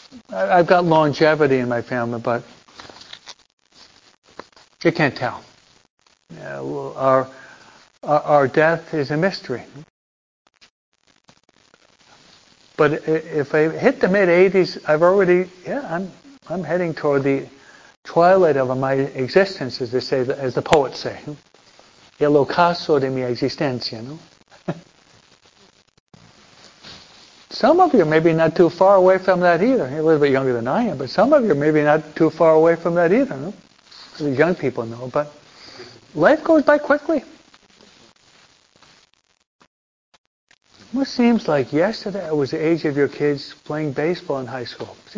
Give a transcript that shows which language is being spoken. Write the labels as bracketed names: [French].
[English] I've got longevity in my family, but you can't tell. Yeah, well, our death is a mystery. But if I hit the mid-80s, I've already, I'm heading toward the twilight of my existence, as they say, as the poets say. [Spanish] El ocaso de mi existencia, no? [English] Some of you are maybe not too far away from that either. You're a little bit younger than I am, but some of you are maybe not too far away from that either. No? The young people know, but life goes by quickly. It seems like yesterday I was the age of your kids playing baseball in high school.